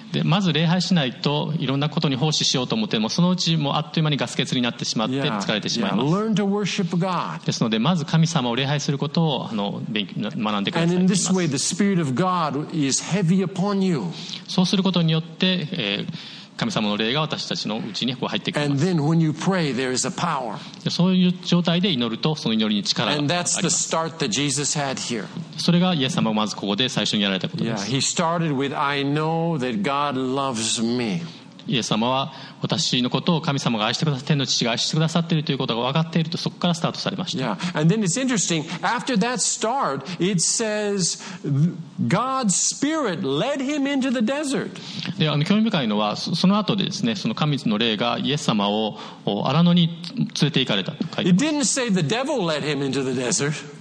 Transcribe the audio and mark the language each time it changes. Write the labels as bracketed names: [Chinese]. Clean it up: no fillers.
[Japanese] でまず礼拝しないと、いろんなことに奉仕しようと思っても、そのうちもうあっという間にガス欠になってしまって疲れてしまいます。 [English] Learn to worship God. [Japanese] ですので、まず神様を礼拝することを学んでください。 [English] And in this way, the Spirit of God is heavy upon you. [Japanese] そうすることによって、神様の霊が私たちのうちに入ってきます。 [English] And then when you pray, there is a power. [Japanese] そういう状態で祈ると、その祈りに力があります。 [English] And that's the start that Jesus had here. [Japanese] それがイエス様がまずここで最初にやられたことです。 [English] Yeah, he started with, I know that God loves me. [Japanese] イエス様は、私のことを神様が愛してくださって、天の父が愛してくださっているということが分かっていると、そこからスタートされました。 [English] Yeah, and then it's interesting, after that start, it says God's Spirit led him into the desert. [Japanese] で、興味深いのは、その後でですね、その神の霊がイエス様を荒野に連れて行かれたと書いてます。 [English] It didn't say the devil led him into the desert.